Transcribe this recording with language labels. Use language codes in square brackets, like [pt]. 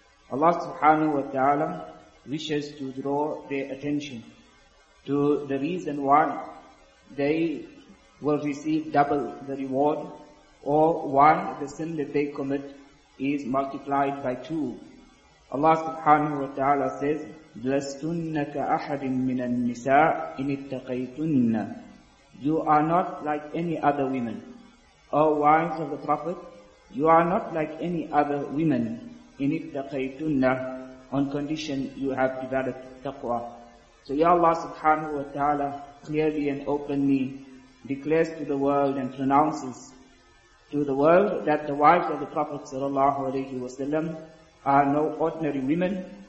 [en] Allah subhanahu wa ta'ala wishes to draw their attention to the reason why they will receive double the reward, or why the sin that they commit is multiplied by two. Allah subhanahu wa ta'ala says, [ar] لَسْتُنَّكَ أَحَدٍ مِّنَ النِّسَاءِ إِنِ اتَّقَيْتُنَّ. [en] You are not like any other women. O wives of the Prophet, you are not like any other women. [ar] إِنِ اتَّقَيْتُنَّ, [en] on condition you have developed taqwa. So Ya Allah subhanahu wa ta'ala clearly and openly declares to the world and pronounces to the world that the wives of the Prophet sallallahu alayhi wa sallam are no ordinary women.